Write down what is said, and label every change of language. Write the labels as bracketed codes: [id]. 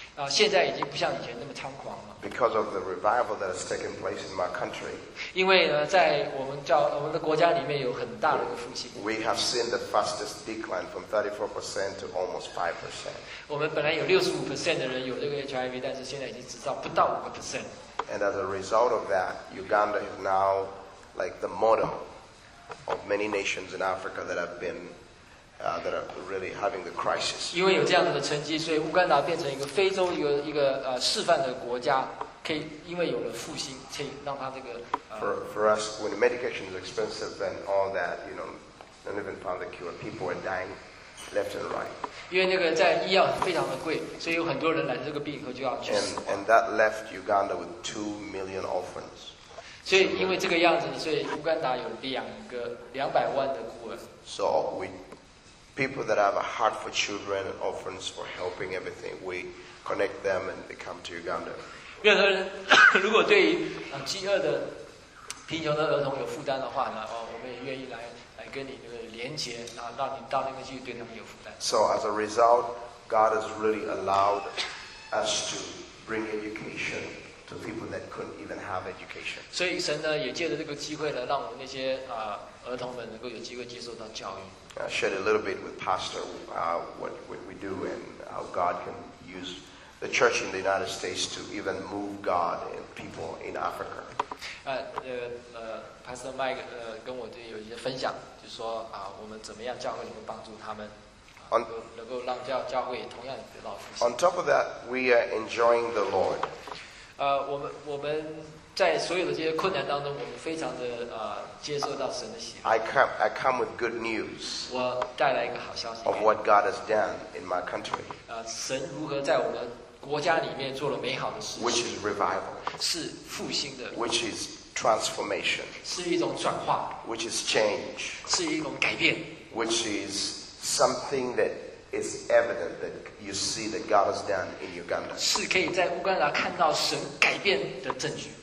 [zh] 现在已经不像以前那么猖狂了。 [en] Because of the revival that has taken place in my country. [zh] 因为呢，在我们的国家里面有很大的一个复兴。 [en] We have seen the fastest decline from 34% to almost 5%. [zh] 我们本来有65%的人有这个 HIV， 但是现在已经只到不到5%。 [en] And as a result of that, Uganda is now like the model of many nations in Africa that have been. That are really having the crisis. [zh] 因为有这样子的成绩，所以乌干达变成一个非洲一个示范的国家，可以因为有了复兴，可以让它这个。 [en] For us, when the medication is expensive and all that, you know, don't even find the cure. People are dying left and right. [zh] 因为那个在医药非常的贵，所以有很多人染这个病以后就要去死。 [en] And that left Uganda with 2 million orphans. [zh] 所以因为这个样子，所以乌干达有200万的孤儿。 [en] So we. People that have a heart for children and orphans for helping everything, we connect them and they come to Uganda. [zh] 任何人如果对于饥饿的贫穷的儿童有负担的话呢，我们也愿意来跟你这个连接，然后让你到那边去对他们有负担。 [en] So as a result, God has really allowed us to bring education to people that couldn't even have education. [zh] 所以神呢也借着这个机会呢，让我们那些儿童们能够有机会接受到教育。 [en] I shared a little bit with Pastor what we do and how God can use the church in the United States to even move God and people in Africa. [zh] Pastor Mike 跟我有一些分享，就是说我们怎么样教会能够帮助他们，能够让教会同样得到复兴。 [en] On top of that, we are enjoying the Lord. [zh] 我们在所有的这些困难当中，我们非常的接受到神的喜悦。 [en] I come with good news. [zh] 我带来一个好消息。 [en] Of what God has done in my country. [zh] 神如何在我们国家里面做了美好的事情。 [en] Which is revival. [zh] 是复兴的。 [en] Which is transformation. [zh] 是一种转化。 [en] Which is change. [zh] 是一种改变。 [en] Which is something that is evident that you see that God has done in Uganda. [zh] 是可以在乌干达看到神改变的证据。